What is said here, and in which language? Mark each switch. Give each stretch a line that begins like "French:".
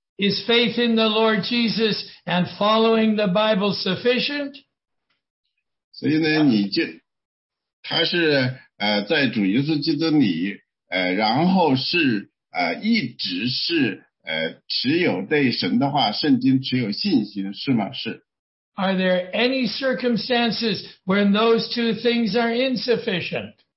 English: Is faith in the Lord Jesus and following the Bible sufficient?
Chinese: 所以呢,他是在主耶稣基督里,然后是一直是持有对神的话,圣经持有信心,是吗?是。
English: Are there any circumstances when those two things are insufficient?